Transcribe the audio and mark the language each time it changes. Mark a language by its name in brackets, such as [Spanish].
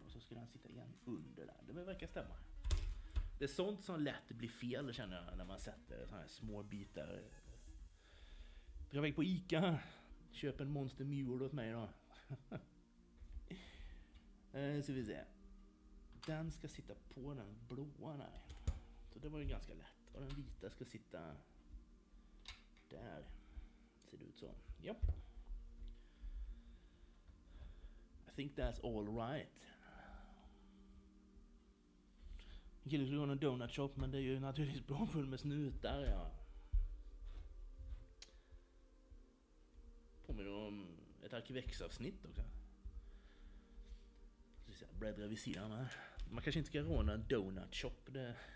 [Swedish] Och så ska den sitta igen under där. Det verkar stämma. Det är sånt som lätt blir fel, känner jag, när man sätter såna här små bitar. Dra iväg på Ica. Köp en Monster Mule åt mig då. Så vi ser. Den ska sitta på den blåa där. Så det var ju ganska lätt. Och den vita ska sitta där. Ser det ut så? Japp. [English] Yep. I think that's all right. [Swedish] En kille skulle gå en donut shop, men det är ju naturligtvis bra full med snutar, ja. Påminner om ett arkivex-avsnitt också. Så bläddrar vi sidan här. Man kanske inte ska råna en donut shop, det.